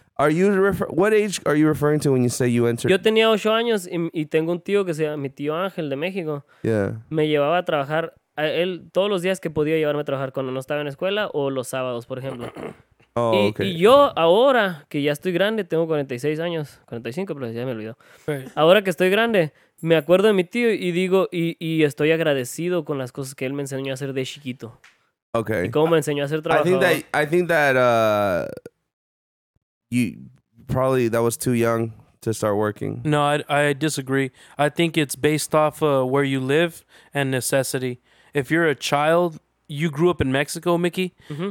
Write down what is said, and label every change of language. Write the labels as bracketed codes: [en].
[en] Are you what age are you referring to when you say you entered? [es] Yo tenía 8 años y tengo un tío que se llama mi tío Ángel de México. [en] Yeah. [es] Me llevaba a trabajar a él todos los días que podía llevarme a trabajar cuando no estaba en escuela o los sábados, por ejemplo. [en] Oh, okay. [es] Y yo ahora que ya estoy grande, tengo 46 años, 45, pero ya me olvidó. [en] Right. [es] Ahora que estoy grande, me acuerdo de mi tío y digo, y estoy agradecido con las cosas que él me enseñó a hacer de chiquito. [en] Okay. [es] Y cómo me enseñó a ser trabajador. [en] I think that was too young to start working. No, I disagree. I think it's based off of where you live and necessity. If you're a child, you grew up in Mexico, Mickey. Mm-hmm.